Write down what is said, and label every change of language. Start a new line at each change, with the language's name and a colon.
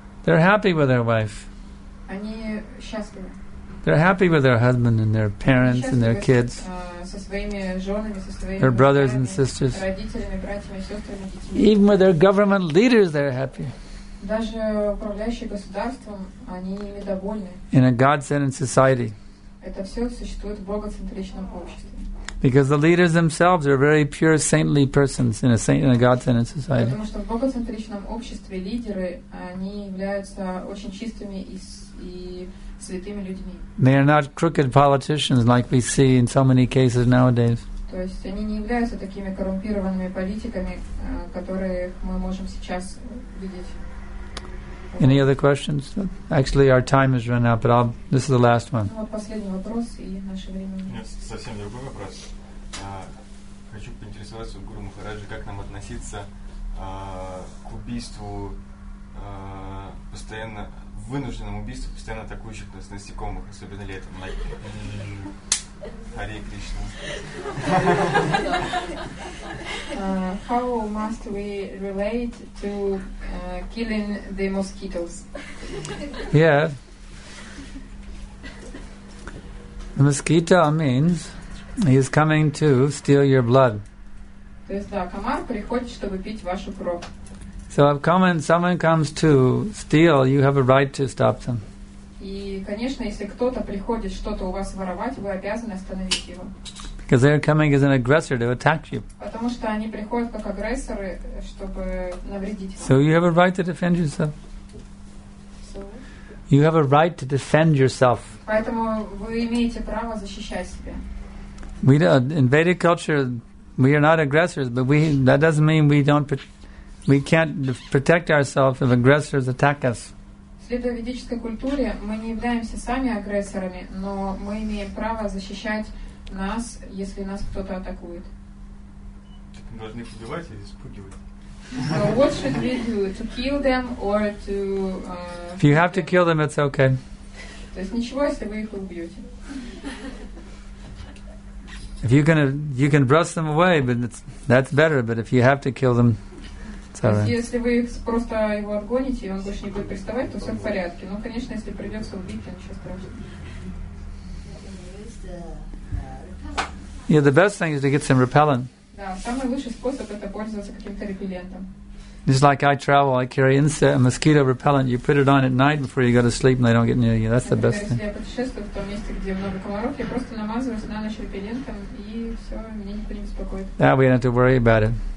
English: They're happy with their wife.
Russian: Они счастливы.
English: They're happy with their husband and their parents and their kids.
Russian: Со своими женами, со своими
English: their brothers and sisters.
Russian: Родителями, братьями, сестрами, детьми.
English: Even with their government leaders, they're happy.
Russian: Даже управляющие государством, они ими довольны.
English: In a God-centered society.
Russian: Это все существует в богоцентричном обществе.
English: Because the leaders themselves are very pure saintly persons in a God-centered society.
Russian: Потому что в богоцентричном обществе лидеры, они являются очень чистыми и святыми людьми.
English: They are not crooked politicians like we see in so many cases nowadays.
Russian: То есть они не являются такими коррумпированными политиками, которые мы можем сейчас видеть.
English: Any other questions? Actually, our time has run out, but this is the last one.
Russian: Совсем другой вопрос. Хочу поинтересоваться у Гуру Махараджи, как нам относиться к убийству постоянно вынужденному убийству постоянно атакующих нас насекомых, особенно летом.
English: Hare Krishna. How must we relate to killing the mosquitoes? Yeah. The mosquito means he is coming to steal your blood.
Russian: То есть, да, комар приходит, чтобы пить вашу кровь.
English: So if someone comes to steal, you have a right to stop them.
Russian: И, конечно, если кто-то приходит что-то у вас воровать, вы обязаны остановить его.
English: Because they're coming as an aggressor to attack you.
Russian: Потому что они приходят как агрессоры, чтобы навредить вам.
English: So you have a right to defend yourself. So? You have a right to defend yourself.
Russian: Поэтому вы имеете право защищать себя.
English: We don't, in Vedic culture, we are not aggressors, but that doesn't mean we can't protect ourselves if aggressors attack us.
Russian: Следуя ведической культуре, мы не являемся сами агрессорами, но мы имеем право защищать нас, если нас кто-то атакует. Мы должны их убивать или испугивать?
English: So what should we do? To kill them or to... If you have to kill them, it's okay.
Russian: То есть ничего, если вы их убьете.
English: If you can, you can brush them away, but that's better. But if you have to kill them, it's all right.
Russian: Если вы просто его отгоните, и он больше не будет приставать, то все в порядке. Но, конечно, если придется убить, то ничего страшного.
English: Yeah, the best thing is to get some repellent.
Russian: Да, самый лучший способ — это пользоваться каким-то репеллентом.
English: Just like I travel, I carry insect and mosquito repellent. You put it on at night before you go to sleep, and they don't get near you. That's the best thing. That we don't have to worry about it.